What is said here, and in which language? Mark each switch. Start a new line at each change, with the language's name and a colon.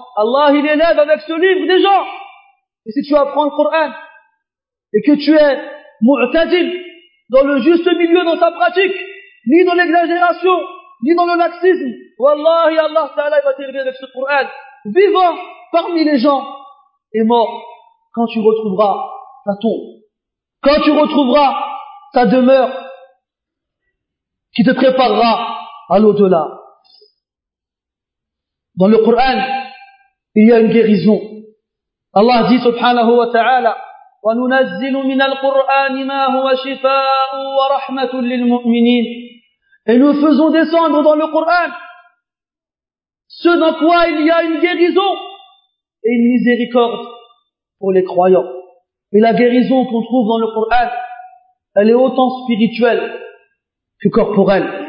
French: Allah, il élève avec ce livre des gens. Et si tu apprends le Coran et que tu es mu'tadil dans le juste milieu dans sa pratique, ni dans l'exagération, ni dans le laxisme, wallahi Allah ta'ala va t'élever avec ce Coran, vivant parmi les gens et mort quand tu retrouveras ta tombe, quand tu retrouveras ta demeure qui te préparera à l'au-delà. Dans le Coran, il y a une guérison.
Arabic: الله جل سبحانه وتعالى وننزل من القرآن ما هو شفاء ورحمة للمؤمنين.
French: Et nous faisons descendre dans le Coran ce dans quoi il y a une guérison et une miséricorde pour les croyants. Et la guérison qu'on trouve dans le Coran, elle est autant spirituelle que corporelle.